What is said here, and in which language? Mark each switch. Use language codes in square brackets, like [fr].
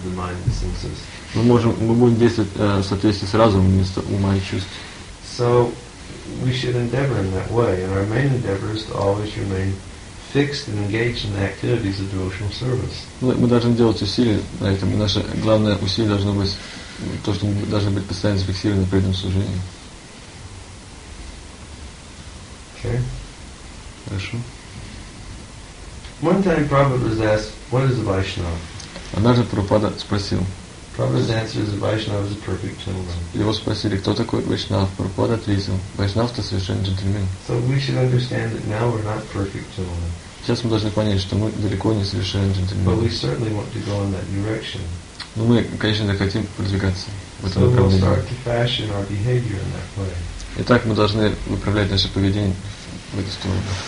[en] We can act according to the intelligence Instead of the mind and senses. So we should endeavor in that way, and our main endeavor is to always remain fixed and engaged in the activities of devotional service. [ru] Мы должны делать усилия на этом. Наше главное усилие должно быть то, что мы должны быть постоянно фиксированы при этом служении. [en] Okay. [ru] Хорошо. [en] One time Prabhupada was asked, what is a Vaishnava? [ru] Однажды Прабхупада спросил. [en] Prabhupada's answer is a Vaishnava is a perfect gentleman. [ru] Его спросили, кто такой Вайшнав? Прабхупада ответил, Вайшнав это совершенно джентльмен. [en] So we should understand that now we're not perfect gentlemen. [ru] Сейчас мы должны понять, что мы далеко не совершенно джентльмены. [en] But we certainly want to go in that direction. [ru] Но мы, конечно, хотим продвигаться в этом [en] so [ru] направлении. [en] So we'll start to fashion our behavior in that way. [ru] Итак, мы должны управлять наше поведение в эту сторону.